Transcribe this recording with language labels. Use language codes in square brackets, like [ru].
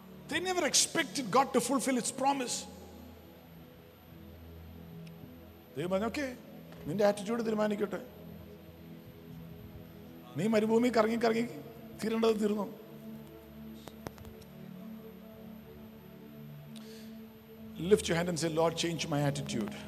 [en] They never expected God to fulfill its promise. They were like, okay, [ml] നിന്റെ attitude തീരുമാനിക്കട്ടെ, നീ മരുഭൂമി കറങ്ങി കറങ്ങി തീരേണ്ടത് തീർന്നു. [en] Lift your hand and say, Lord, change my attitude.